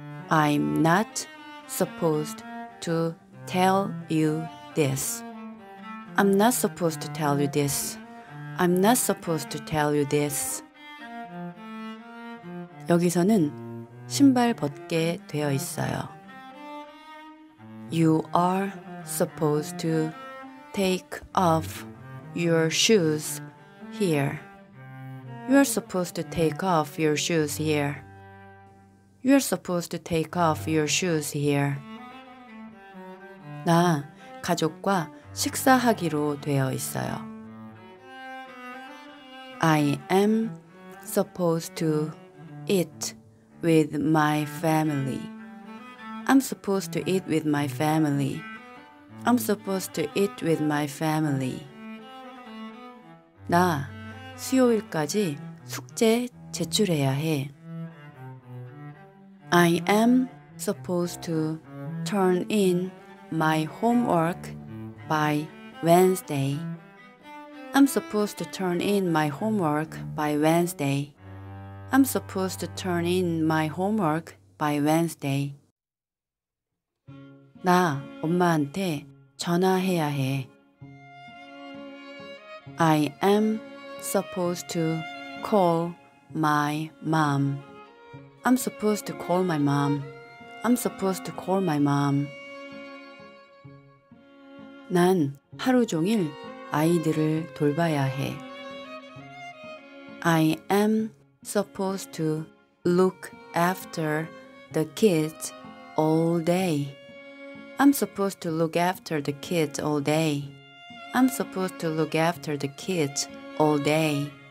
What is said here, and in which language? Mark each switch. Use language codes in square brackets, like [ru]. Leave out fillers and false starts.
[en] I'm not supposed to tell you this. I'm not supposed to tell you this. I'm not supposed to tell you this. [ko] 여기서는 신발 벗게 되어 있어요. [en] You are supposed to take off your shoes here. You are supposed to take off your shoes here. You are supposed to take off your shoes here. [ko] 나 가족과 식사하기로 되어 있어요. [en] I am supposed to eat with my family. I'm supposed to eat with my family. I'm supposed to eat with my family. [ko] 나 수요일까지 숙제 제출해야 해. [en] I am supposed to turn in my homework by Wednesday. I'm supposed to turn in my homework by Wednesday. I'm supposed to turn in my homework by Wednesday. [ko] 나 엄마한테 전화해야 해. [en] I am supposed to call my mom. I'm supposed to call my mom. I'm supposed to call my mom. [ko] 난 하루 종일 아이들을 돌봐야 해. [en] I am supposed to look after the kids all day. I'm supposed to look after the kids all day. I'm supposed to look after the kids all day.